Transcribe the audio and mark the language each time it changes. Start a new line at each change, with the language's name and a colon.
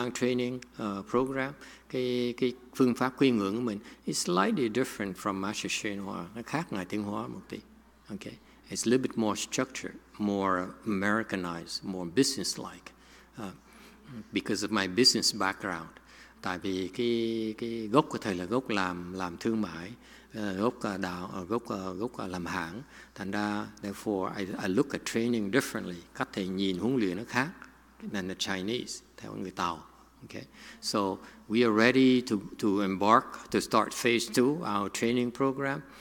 English: So our way on training program,
Vietnamese: cái phương pháp quy ngưỡng của mình
English: is slightly different from Master Shenhua.
Vietnamese: Nó khác ngài Tiếng Hóa một tí.
English: Okay. It's a little bit more structured, more Americanized, more business-like, because of my business background.
Vietnamese: Tại vì cái gốc của thầy là gốc làm thương mại, gốc làm hãng. Thành ra,
English: therefore, I look at training differently.
Vietnamese: Cách thầy nhìn huấn luyện nó khác
English: than the Chinese,
Vietnamese: theo người Tàu. Okay.
English: So we are ready to embark to start phase 2, our training program.